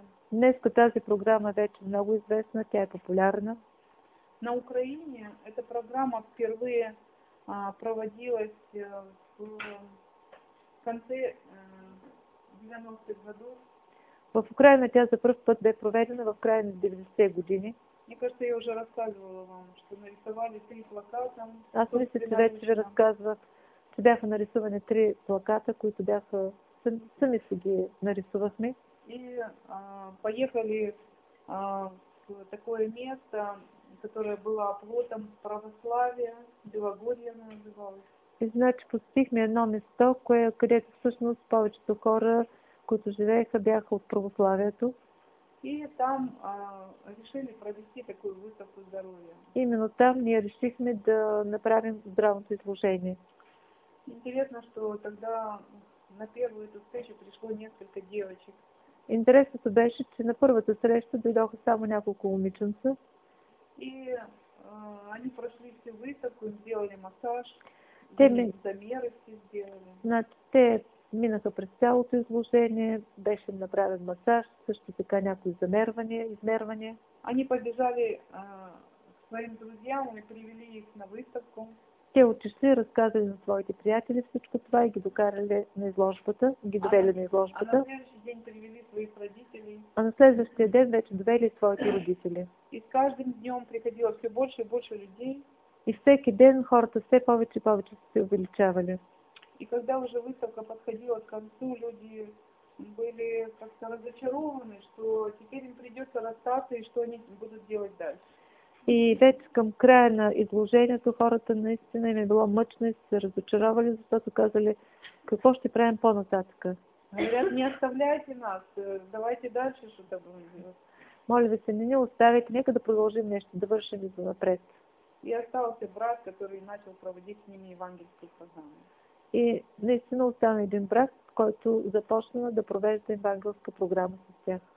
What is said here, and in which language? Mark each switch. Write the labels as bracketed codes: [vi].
[bg] Днеска тази програма вече много известна, тя е популярна. [ru] На Украине эта программа впервые проводилась в конце 90-х годов. [bg] В Украине тя за първ път бе проведена в края на 90-те години. [ru] Мне кажется, я уже рассказывала вам, что нарисовали три плаката. [bg] Аз мисля, че вече ви разказвах, че бяха нарисувани три плаката, които бяха сами си ги нарисувахме. [ru] И поехали в такое место, которое было оплотом православия, Белогорье называлось. [bg] И значит, посетихме едно место, където всъщност повечето хора, които живееха, бяха от православието. [ru] И там решили провести такую выставку здоровья. [bg] Именно там ние решихме да направим здравното изложение. [ru] Интересно, что тогда на первую эту встречу пришло несколько девочек. [bg] Интересното беше, че на първата среща дойдоха само няколко момиченца. [ru] И они прошли всю выставку, им сделали массаж, замеры все сделали. [bg] Те минаха през цялото изложение, беше направен масаж, също така някои замервания, измервания. [ru] Они побежали к своим друзьям и привели их на выставку. [bg] Те отишли, разказали на своите приятели всичко това и ги докарали на изложбата, ги довели на изложбата. А на следващия ден [ru] привели своих родителей. [bg] А на следващия ден вече довели своите родители. [ru] И с каждым днем приходило все больше и больше людей. [bg] И всеки ден хората все повече и повече се увеличавали. [ru] И когда уже выставка подходила к концу, люди были как-то разочарованы, что теперь им придется расстаться и что они будут делать дальше. [bg] И вече към края на изложението хората наистина им е било мъчно и се разочаровали, защото казали, какво ще правим по-нататък. [ru] Говорят, не оставляйте нас, давайте дальше, что да будем делать. [bg] Моля ви се, не ни оставяйте, нека да продължим нещо, да вършим и занапред. [ru] и остался брат, который начал проводить с ними евангельские познания. [bg] И наистина остана един брат, който започна да провежда евангелска програма с тях.